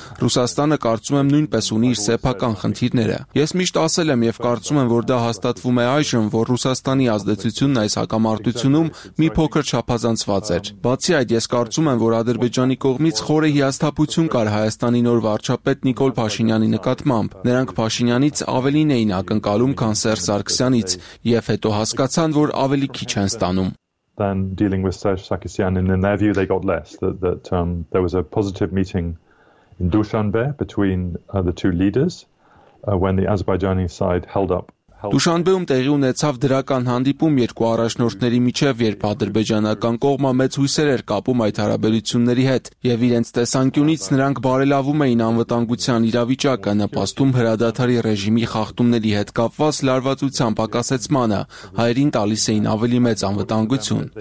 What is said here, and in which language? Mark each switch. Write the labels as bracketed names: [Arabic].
[Armenian] Ռուսաստանը կարծում եմ նույնպես ունի իր սեփական խնդիրները։ Ես միշտ ասել եմ եւ կարծում եմ, որ դա հաստատվում է այժմ, որ Ռուսաստանի ազդեցությունն այս հակամարտությունում մի փոքր չափազանցված էր։ Բացի այդ, ես կարծում եմ, որ Ադրբեջանի կողմից խորը հիասթափություն կար Հայաստանի նոր վարչապետ Նիկոլ Փաշինյանի նկատմամբ։ Նրանք Փաշինյանից ավելին էին ակնկալում, քան Սերժ Սարգսյանից, եւ հետո հասկացան, որ ավելի քիչ են ստանում։ [English] Then dealing with Serge Sargsyan, and in their view they got less, that there was a positive meeting in Dushanbe between the two leaders when the Azerbaijani side held up. [Armenian] Դուշանբեում տեղի ունեցավ դրական հանդիպում երկու առաջնորդների միջև, երբ ադրբեջանական կողմը մեծ հույսեր էր կապում այդ հարաբերությունների հետ, եւ իրենց տեսանկյունից նրանք բարելավում էին անվտանգության իրավիճակը, նպաստում հրադադարի ռեժիմի խախտումների հետ կապված լարվածության պակասեցմանը, հայերին տալիս էին ավելի մեծ անվտանգություն։